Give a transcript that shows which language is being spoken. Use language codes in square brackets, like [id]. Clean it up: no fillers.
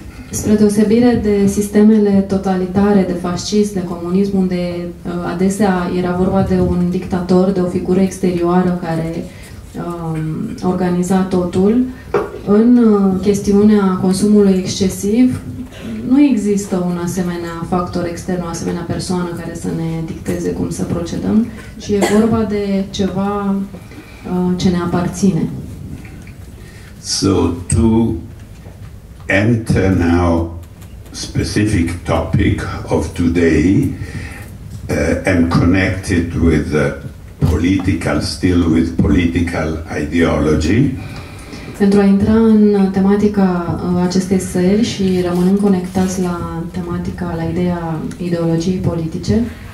[ro] Spre deosebire de sistemele totalitare, de fascism, de comunism, unde adesea era vorba de un dictator, de o figură exterioară care organiza totul, în chestiunea consumului excesiv nu există un asemenea factor extern, o asemenea persoană care să ne dicteze cum să procedăm, ci e vorba de ceva ce ne aparține. [en] So to enter now specific topic of today and connected with political, still with political ideology. [ro] Pentru a intra în tematica acestei seri și rămânem conectați la tematica, la ideea ideologiei politice.